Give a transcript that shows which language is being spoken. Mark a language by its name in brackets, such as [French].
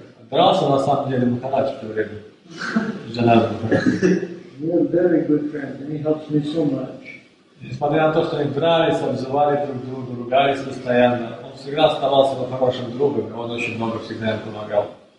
[Russian] Дрался на самом деле Махарадж в то время. [English] We're very good friends, and he helps me so much. [Russian] Несмотря на то, что они дрались, обзывали друг друга, ругались постоянно, он всегда оставался бы хорошим другом, и он очень много всегда им помогал.